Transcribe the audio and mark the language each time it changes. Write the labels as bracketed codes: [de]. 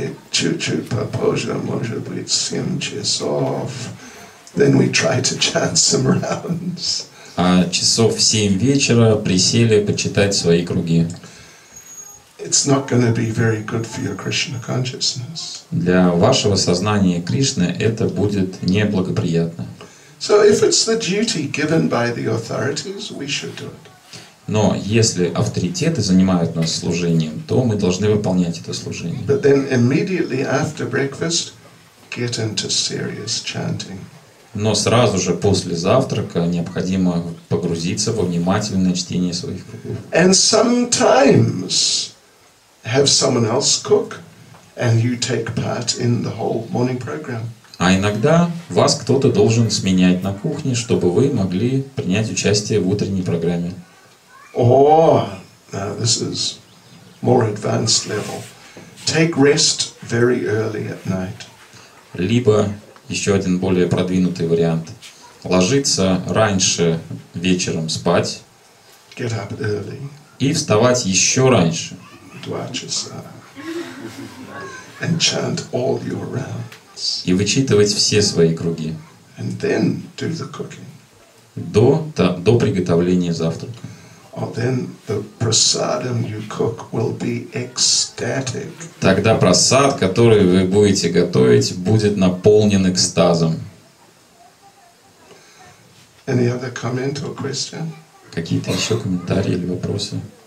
[ru] Чуть-чуть попозже, может быть, 7 часов. [en] Then we try to chant some rounds. [ru] А часов в 7 вечера присели почитать свои круги. [en] It's not going to be very good for your Krishna consciousness. [ru] Для вашего сознания Кришны это будет неблагоприятно. [en] So if it's the duty given by the authorities, we should do it. [ru] Но если авторитеты занимают нас служением, то мы должны выполнять это служение. [en] But then immediately after breakfast, get into serious chanting. [ru] Но сразу же после завтрака необходимо погрузиться во внимательное чтение своих кругов. [en] And sometimes have someone else cook, and you take part in the whole morning program. [ru] А иногда вас кто-то должен сменять на кухне, чтобы вы могли принять участие в утренней программе. [en] Now this is more advanced level. Take rest very early at night. [ru] Либо еще один более продвинутый вариант. Ложиться раньше вечером спать. [en] Get up early. [ru] И вставать еще раньше. 2 часа. [en] And chant all your rounds. [ru] И вычитывать все свои круги. [en] And then do the cooking. [ru] До приготовления завтрака. [en] Then the prasadam you cook will be ecstatic. [ru] Тогда прасад, который вы будете готовить, будет наполнен экстазом. [en] Any other comment or question? [ru] Какие-то еще комментарии или вопросы?